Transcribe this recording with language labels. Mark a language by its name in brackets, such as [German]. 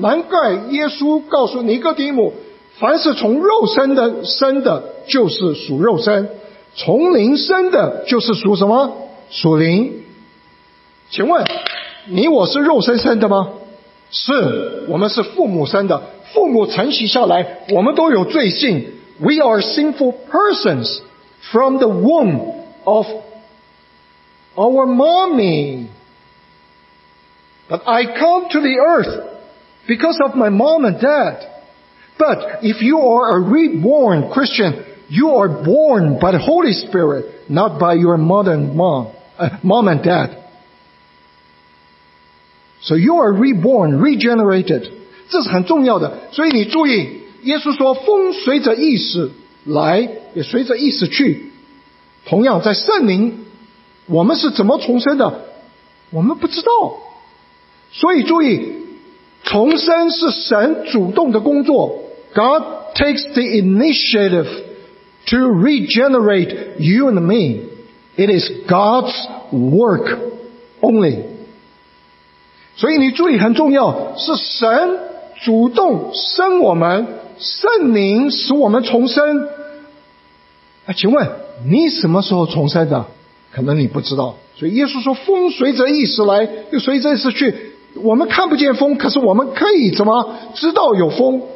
[Chinese] 难怪耶稣告诉尼哥底母，凡是从肉身的生的，就是属肉身，从灵生的，就是属什么？属灵。请问你我是肉身生的吗？是，我们是父母生的，父母承袭下来，我们都有罪性。 [English] We are sinful persons from the womb of our mommy, but I come to the earth because of my mom and dad. But if you are a reborn Christian, you are born by the Holy Spirit, not by your mother and mom and dad. So you are reborn, regenerated. [Chinese] 这是很重要的。所以你注意，耶稣说风随着意思来，也随着意思去。同样在圣灵，我们是怎么重生的？我们不知道。所以注意，重生是神主动的工作。 [English] God takes the initiative to regenerate you and me. It is God's work only. [Chinese] 所以你注意很重要，是神主动生我们，圣灵使我们重生。请问你什么时候重生的？可能你不知道。所以耶稣说风随着意思来，又随着意思去。我们看不见风，可是我们可以怎么知道有风？